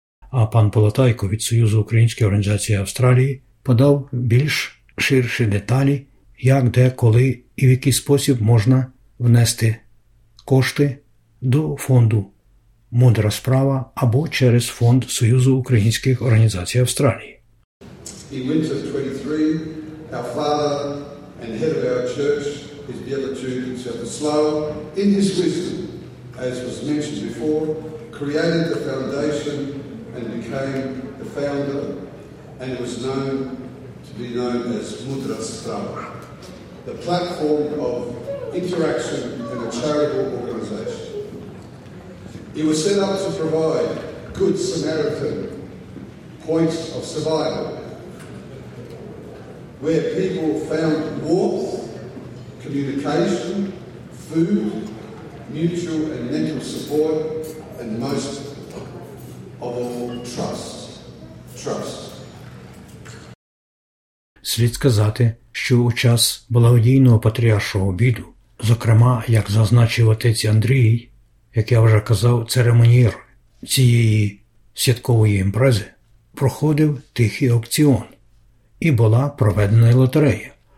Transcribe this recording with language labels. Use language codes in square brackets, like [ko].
[uk] А пан Полотайко від Союзу Української Організації Австралії подав більш ширші деталі, як, де, коли і в який спосіб можна внести кошти до фонду «Мудра справа» або через фонд Союзу Українських Організацій Австралії. [en] In winter of 23, our father and head of our church, his beatitude in South Slough, in his wisdom, as was mentioned before, created the foundation and became the founder, and it was known to be known as Mudra Sprawa, the platform of interaction and a charitable organization. It was set up to provide good Samaritan points of survival, where people found warmth, communication, food, mutual and mental support, and most of all, trust. Trust. [uk] Слід сказати, що у час благодійного патріаршого обіду, зокрема, як зазначив отець Андрій, як я вже казав, церемонієр цієї святкової імпрези, проходив тихий аукціон і була проведена лотерея.